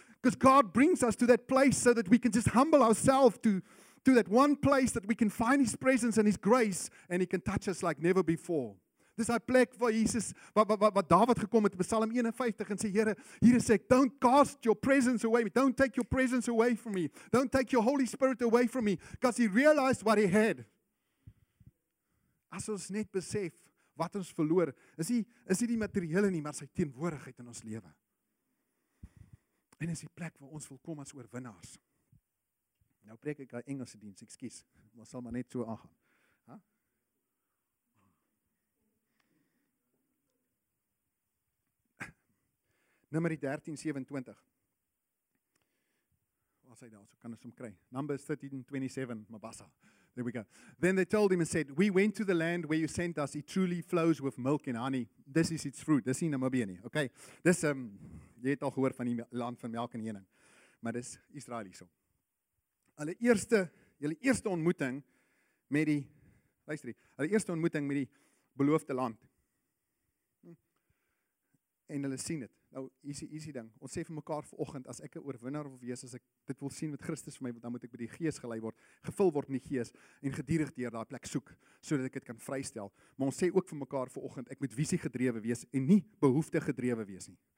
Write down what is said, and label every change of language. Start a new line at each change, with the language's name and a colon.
English: Because God brings us to that place so that we can just humble ourselves to that one place that we can find his presence and his grace and he can touch us like never before.
Afrikaans: Dis daai plek waar Jesus wat Dawid gekom het in Psalm 51 en sê Here, hier is ek,
English: don't cast your presence away from me. Don't take your presence away from me. Don't take your Holy Spirit away from me because he realized what he had.
Afrikaans: As ons net besef wat ons verloor, is nie die materiële nie, maar sy teenwoordigheid in ons lewe. En is die plek waar ons wil kom as oorwinnaars. Nou preek ek 'n Engelse diens, ekskuus, maar sal maar net so aangaan. Nummer 13:27. as hy daar, so kan ons hom kry. Numbers 13:27, Mabasa.
English: There we go. Then they told him and said, "We went to the land where you sent us. It truly flows with milk and honey. This is its fruit."
Afrikaans: Dis nie Namibia nie. Okay. Dis jy het al gehoor van die land van melk en honing. Maar dis Israel hierso. Hulle eerste ontmoeting met die luister, hulle eerste ontmoeting met die beloofde land. En hulle sien dit. Nou, easy ding. Ons sê vir mekaar vanoggend, as ek 'n oorwinnaar wil wees, as ek dit wil sien wat Christus vir my wil, dan moet ek by die Gees gelei word, gevul word in die Gees en gedurig deur daai plek soek sodat ek dit kan vrystel. Maar ons sê ook vir mekaar vanoggend, ek moet visie gedrewe wees en nie behoefte gedrewe wees nie.